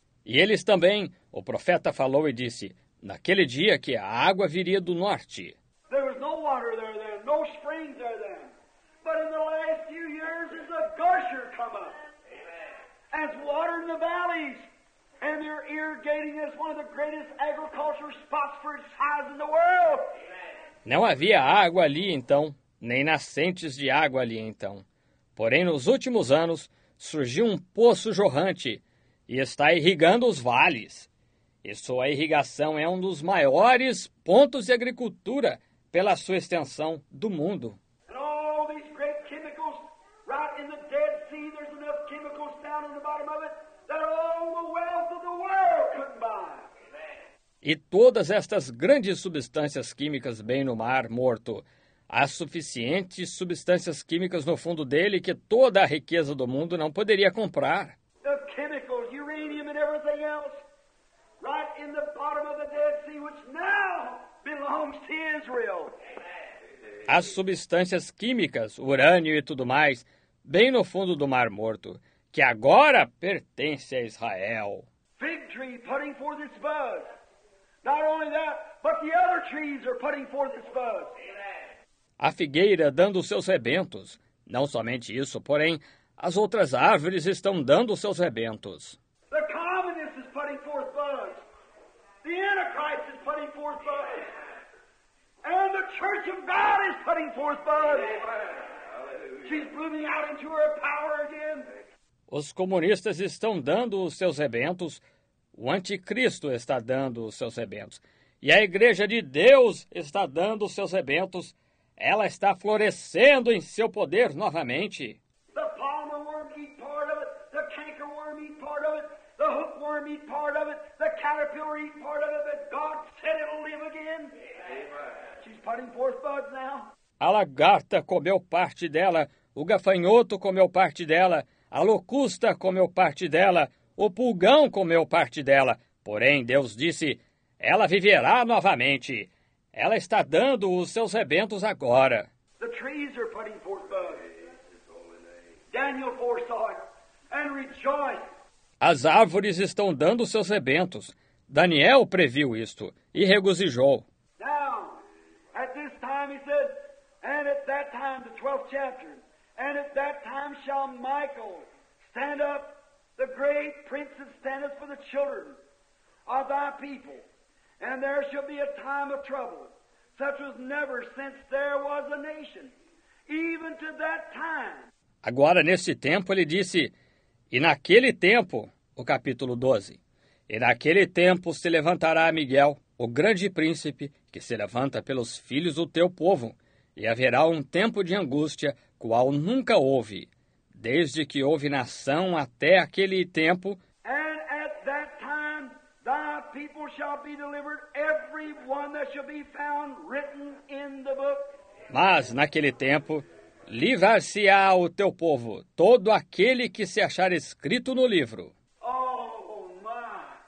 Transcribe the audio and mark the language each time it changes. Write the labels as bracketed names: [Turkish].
[Portuguese] E eles também, o profeta falou e disse, naquele dia que a água viria do norte. [English] There was no water there then, no springs there then. But in the last few years is a gusher come up. As water in the valleys. And they're irrigating as one of the greatest agricultural spots for its size in the world. [Portuguese] Não havia água ali então, nem nascentes de água ali então. Porém, nos últimos anos, surgiu um poço jorrante e está irrigando os vales. E sua irrigação é um dos maiores pontos de agricultura pela sua extensão do mundo. [English] And all these great chemicals, right in the Dead Sea, there's enough chemicals down in the bottom of it that all the wealth of the world could buy. [Portuguese] E todas estas grandes substâncias químicas bem no mar morto. Há suficientes substâncias químicas no fundo dele que toda a riqueza do mundo não poderia comprar. [English] The chemicals, uranium and everything else, right in the bottom of the Dead Sea, which now belongs to Israel. [Portuguese] As substâncias químicas, urânio e tudo mais, bem no fundo do mar morto, que agora pertence a Israel. [English] Fig tree putting forth its buds. Not only that, but the other trees are putting forth its buds. [Portuguese] A figueira dando seus rebentos. Não somente isso, porém, as outras árvores estão dando seus rebentos. [English] The communist is putting forth buds. The antichrist is putting forth buds. And the church of God is putting forth buds. She's blooming out into her power again. [Portuguese] Os comunistas estão dando os seus rebentos. O anticristo está dando os seus rebentos. E a igreja de Deus está dando os seus rebentos. Ela está florescendo em seu poder novamente. [English] The palmer worm eat part of it. The canker worm eat part of it. The hook worm eat part of it. The caterpillar eat part of it. But God said it will live again. She's putting forth buds now. [Portuguese] A lagarta comeu parte dela. O gafanhoto comeu parte dela. A locusta comeu parte dela. O pulgão comeu parte dela. Porém, Deus disse, ela viverá novamente. Ela está dando os seus rebentos agora. [English] The trees are putting forth buds. Daniel foresaw it and rejoiced. [Portuguese] As árvores estão dando seus rebentos. Daniel previu isto e regozijou. [English] Now, at this time, he said, and at that time, the 12th chapter, and at that time shall Michael stand up. The great prince that standeth for the children of thy people. And there shall be a time of trouble, such as never since there was a nation, even to that time. [Portuguese] Agora, neste tempo, ele disse, e naquele tempo, o capítulo 12, e naquele tempo se levantará Miguel, o grande príncipe, que se levanta pelos filhos do teu povo, e haverá um tempo de angústia, qual nunca houve. Desde que houve nação até aquele tempo. [English] And at that time, thy people shall be delivered, every one that shall be found written in the book. [Portuguese] Mas naquele tempo, livrar-se-á o teu povo, todo aquele que se achar escrito no livro. [English] Oh, my!